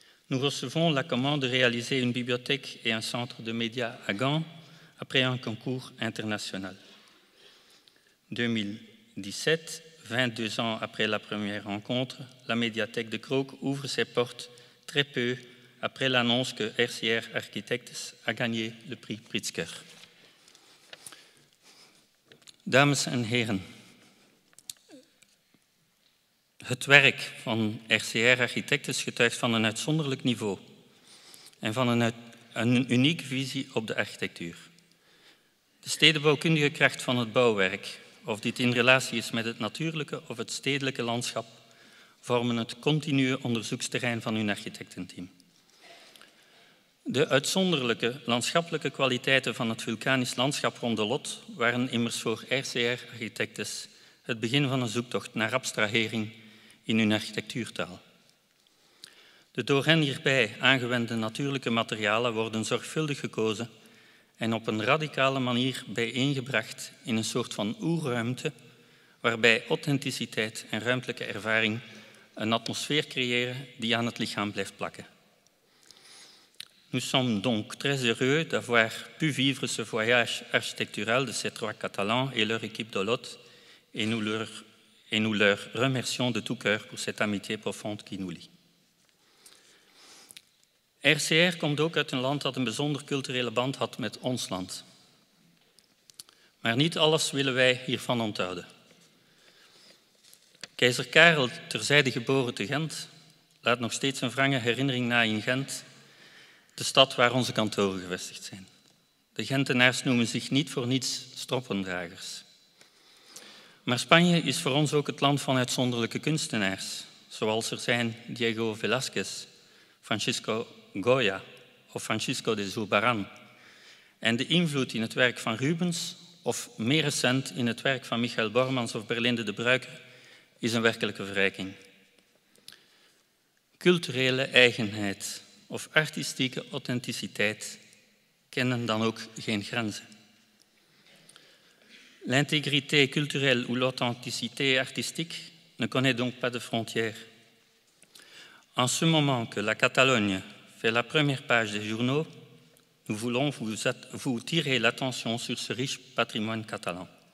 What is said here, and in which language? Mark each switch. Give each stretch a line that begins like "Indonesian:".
French: Nous recevons la commande de réaliser une bibliothèque et un centre de médias à Gand après un concours international. 2017, 22 ans après la première rencontre, la médiathèque de Krook ouvre ses portes très peu après l'annonce que RCR Architects a gagné le prix Pritzker.
Dutch: Dames en heren, het werk van RCR Architects getuigt van een uitzonderlijk niveau en van een unieke visie op de architectuur. De stedenbouwkundige kracht van het bouwwerk, of dit in relatie is met het natuurlijke of het stedelijke landschap, vormen het continue onderzoeksterrein van hun architectenteam. De uitzonderlijke landschappelijke kwaliteiten van het vulkanisch landschap rond de Lot waren immers voor RCR Architectes het begin van een zoektocht naar abstrahering in hun architectuurtaal. De door hen hierbij aangewende natuurlijke materialen worden zorgvuldig gekozen en op een radicale manier bijeengebracht in een soort van oerruimte waarbij authenticiteit en ruimtelijke ervaring een atmosfeer creëren die aan het lichaam blijft plakken.
French: Nous sommes donc très heureux d'avoir pu vivre ce voyage architectural de ces trois Catalans et leur équipe de Lot et nous leur remercions de tout cœur pour cette amitié profonde qui nous lie.
Dutch: RCR komt ook uit een land dat een bijzonder culturele band had met ons land. Maar niet alles willen wij hiervan onthouden. Keizer Karel, terzijde geboren te Gent, laat nog steeds een wrange herinnering na in Gent, de stad waar onze kantoren gevestigd zijn. De Gentenaars noemen zich niet voor niets stroppendragers. Maar Spanje is voor ons ook het land van uitzonderlijke kunstenaars, zoals er zijn Diego Velázquez, Francisco Goya of Francisco de Zurbarán. En de invloed in het werk van Rubens of meer recent in het werk van Michael Bormans of Berlinde de Bruyker is een werkelijke verrijking. Culturele eigenheid of artistieke authenticiteit kennen dan ook geen grenzen.
French: L'intégrité culturelle ou l'authenticité artistique ne connaît donc pas de frontières. En ce moment que la Catalogne fait la première page des journaux, nous voulons vous tirer l'attention sur ce riche patrimoine catalan.